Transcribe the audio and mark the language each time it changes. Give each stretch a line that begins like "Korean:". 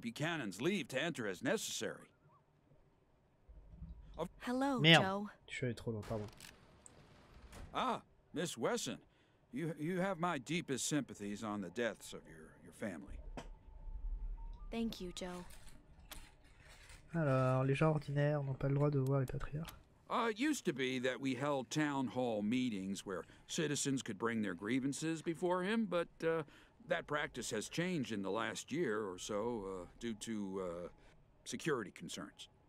English: Buchanan's leave to enter as necessary. Hello,
French: merde.
English: Joe.
French: Je suis allé trop loin, pardon.
English: Ah, Miss Wesson, you have my deepest sympathies on the deaths of your family. Thank you, Joe.
French: Alors, les gens ordinaires n'ont pas le droit de voir les patriarches.
English: It used to be that we held town hall meetings where citizens could bring their grievances before him, but that practice has changed in the last year or so due to security concerns.